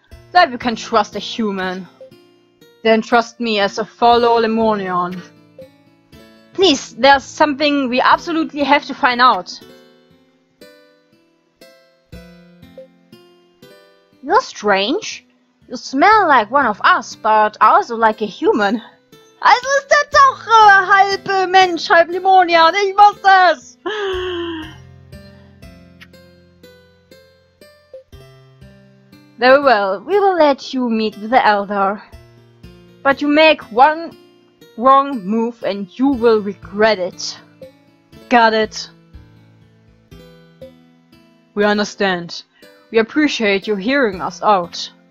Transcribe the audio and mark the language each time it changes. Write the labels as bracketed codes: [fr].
[en] That we can trust a human. Then trust me as a fellow Lemonian. Please, there's something we absolutely have to find out. You're strange. You smell like one of us, but also like a human. [de] Also ist der doch halb Mensch, halb Lemonian, ich weiß das! [en] Very well, we will let you meet with the elder. But you make one wrong move and you will regret it. Got it. We understand. We appreciate you hearing us out.